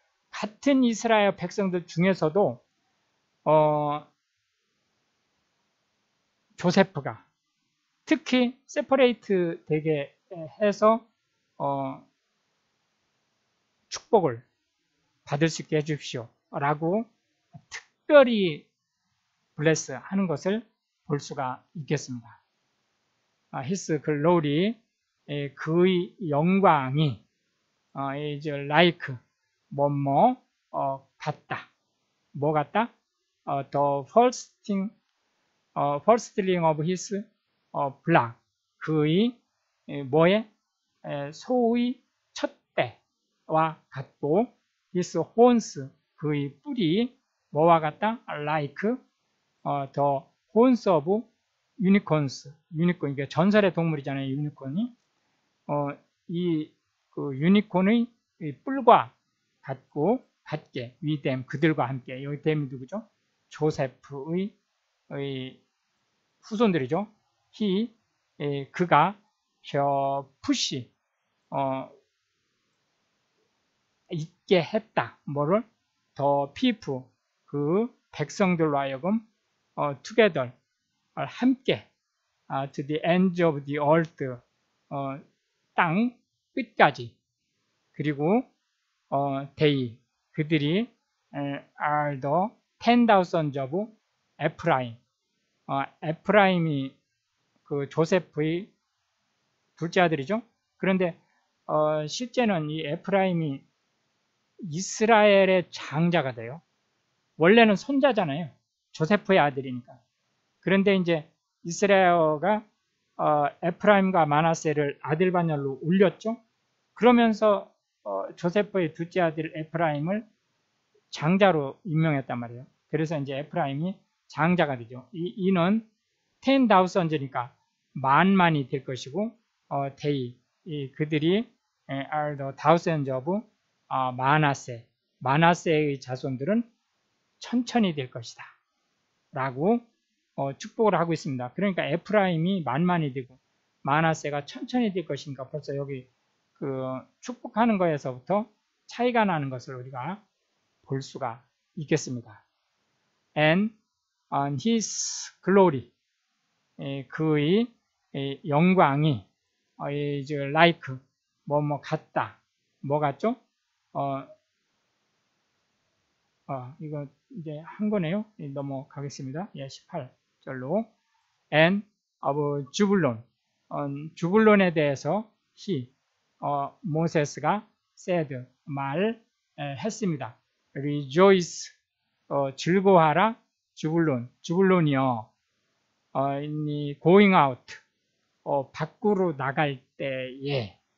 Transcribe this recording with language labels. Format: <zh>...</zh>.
<ko>같은 이스라엘 백성들 중에서도 조세프가 특히 세퍼레이트 되게 해서 축복을 받을 수 있게 해주십시오 라고 특별히 블레스 하는 것을 볼 수가 있겠습니다.</ko> <en>His glory,</en> <ko>그의 영광이</ko> <en>is like</en> <ko>뭐뭐 같다. 뭐 같다?</ko> <en>The firstling of his blood.</en> <ko>그의 뭐에? 소의 첫대와 같고</ko> <en>his horns,</en> <ko>그의 뿔이 뭐와 같다?</ko> <en>Like the horns of unicorns.</en> <ko>유니콘, 이게 전설의 동물이잖아요. 유니콘이. 그 유니콘의 이 뿔과 같고 같게 위댐 그들과 함께 여기 댐이 누구죠? 조세프의 후손들이죠. 그가 푸시 있게 했다. 뭐를?</ko> <en>The people,</en> <ko>그 백성들로 하여금</ko> <en>together,</en> <ko>함께</ko> <en>to the end of the earth,</en> <ko>땅 끝까지. 그리고</ko> <en>they,</en> <ko>그들이</ko> <en>are the 10,000 of Ephraim.</en> <ko>Ephraim이 그 조세프의 둘째들이죠. 그런데 실제는 이 에프라임이 이스라엘의 장자가 돼요. 원래는 손자잖아요. 조세프의 아들이니까. 그런데 이제 이스라엘이 에프라임과 마나세를 아들반열로 올렸죠. 그러면서 조세프의 둘째 아들 에프라임을 장자로 임명했단 말이에요. 그래서 이제 에프라임이 장자가 되죠. 이는 10,000이니까 만만이 될 것이고 they, 그들이</ko> <en>are the thousands of Manasseh.</en> <ko>Manasseh의 자손들은 천천히 될 것이다 라고 축복을 하고 있습니다. 그러니까 에프라임이 만만이 되고 마나세가 천천히 될 것인가, 벌써 여기 그 축복하는 것에서부터 차이가 나는 것을 우리가 볼 수가 있겠습니다.</ko> <en>And on his glory,</en> <ko>그의 영광이</ko> <en>is like</en> <ko>뭐뭐 같다. 뭐 같죠? 이거 이제 한 거네요. 넘어가겠습니다. 예, 18절로</ko> <en>and of Zebulun.</en> <ko>주블론에 대해서 he, 모세스가 said, 말했습니다. Rejoice, 즐거워하라, 주블론. 주블론이요,</ko> <en>going out,</en> <ko>밖으로 나갈 때에.</ko>